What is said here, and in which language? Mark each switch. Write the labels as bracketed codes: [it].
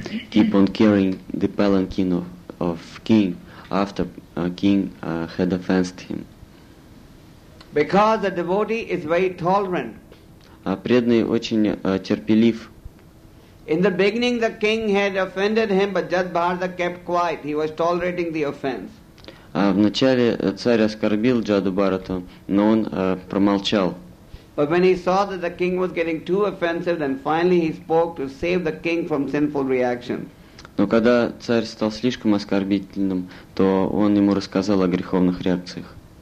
[en] Keep on carrying the palanquin of king after king had offended him. Because the devotee is very tolerant. [ru] Преданный очень терпелив. [en] In the beginning, the king had offended him, but Jad Bharata kept quiet. He was tolerating the offense. [ru] Вначале царь оскорбил Джаду Бхарату, но он промолчал. [en] But when he saw that the king was getting too offensive, then finally he spoke to save the king from sinful reaction. [ru] Но когда царь стал слишком оскорбительным, то он ему рассказал о греховных реакциях.